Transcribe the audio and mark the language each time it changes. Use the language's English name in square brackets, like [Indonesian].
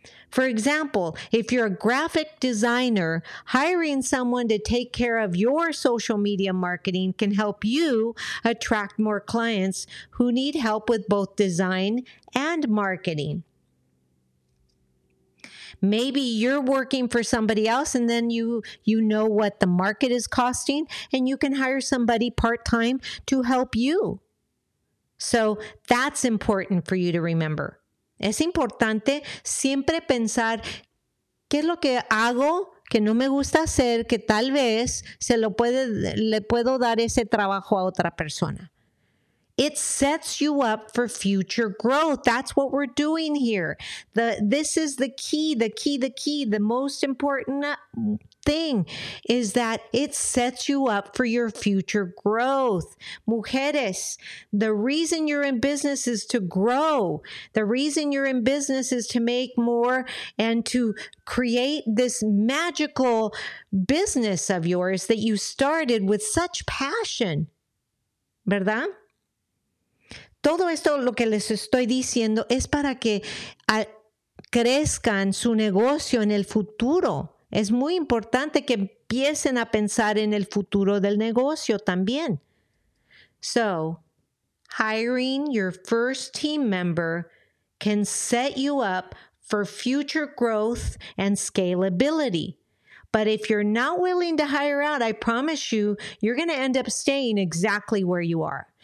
[English] For example, if you're a graphic designer, hiring someone to take care of your social media marketing can help you attract more clients who need help with both design and marketing. Maybe you're working for somebody else and then you know what the market is costing and you can hire somebody part-time to help you. So that's important for you to remember. [Spanish] Es importante siempre pensar qué es lo que hago que no me gusta hacer, que tal vez le puedo dar ese trabajo a otra persona. [English] It sets you up for future growth. That's what we're doing here. This is the key, the most important thing is that it sets you up for your future growth. [Spanish] Mujeres, [English] the reason you're in business is to grow. The reason you're in business is to make more and to create this magical business of yours that you started with such passion. [Spanish] ¿Verdad? Todo esto lo que les estoy diciendo es para que crezcan su negocio en el futuro. Es muy importante que empiecen a pensar en el futuro del negocio también. [English] So, hiring your first team member can set you up for future growth and scalability. But if you're not willing to hire out, I promise you, you're going to end up staying exactly where you are.